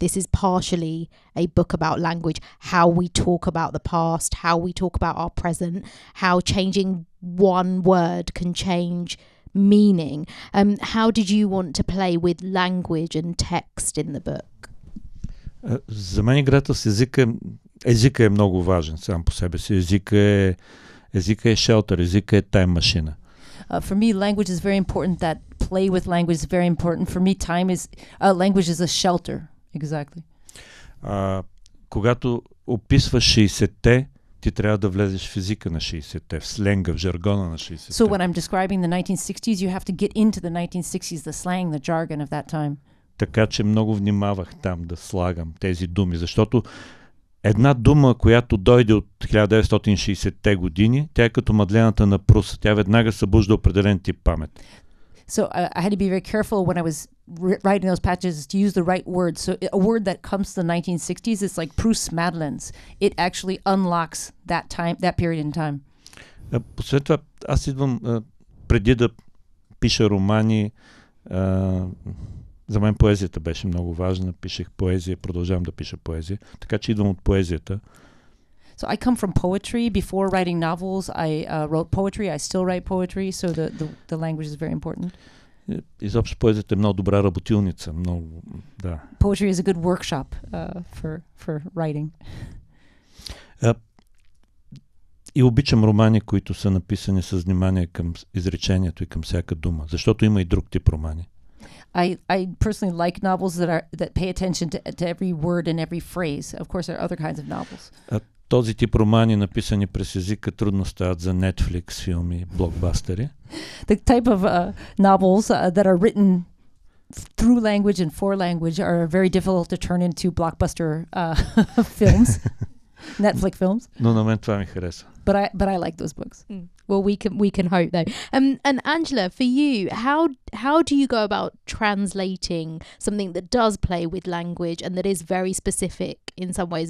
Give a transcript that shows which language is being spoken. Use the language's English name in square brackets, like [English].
[English] This is partially a book about language, how we talk about the past, how we talk about our present, how changing one word can change meaning. How did you want to play with language and text in the book? [Bulgarian] За мен играта с езика е много важен сам по себе си. Езика е [English] shelter, [Bulgarian] езика е [English] time machine. For me, language is very important, that play with language is very important. For me, time is language is a shelter. Exactly. [Bulgarian] Когато описваш 60-те, ти трябва да влезеш в физика на 60-те, в сленга, в жаргона на 60-те. [English] So when I'm describing the 1960s, you have to get into the 1960s, the slang, the jargon of that time. [Bulgarian] Така че много внимавах там да слагам тези думи, защото една дума, която дойде от 1960-те години, тя е като мадлената на Пруса. Тя веднага събужда определен тип памет. [English] So I had to be very careful when I was writing those patches to use the right word. So a word that comes to the 1960s is like Proust's Madeleines. It actually unlocks that time, that period in time. [Bulgarian] После това, аз идвам преди да пиша романи. За мен поезията беше много важна. Пишех поезия, продължавам да пиша поезия. Така че идвам от поезията. [English] So I come from poetry. Before writing novels, I wrote poetry. I still write poetry, so the language is very important. [Bulgarian] Изобщо поезията е много добра работилница, много, да. [English] Poetry is a good workshop for writing. [Bulgarian] И обичам романи, които са написани с внимание към изречението и към всяка дума, защото има и друг тип романи. [English] I personally like novels that pay attention to every word and every phrase. Of course there are other kinds of novels. [Bulgarian] Този тип романи, написани през езика, трудно стават за Netflix филми, блокбастери. [English] The type of novels that are written through language and for language are very difficult to turn into blockbuster films, Netflix films. [Bulgarian] Но на мен това ми хареса. [English] But I like those books. Mm. Well, we can hope though. And Angela, for you, how do you go about translating something that does play with language and that is very specific in some ways?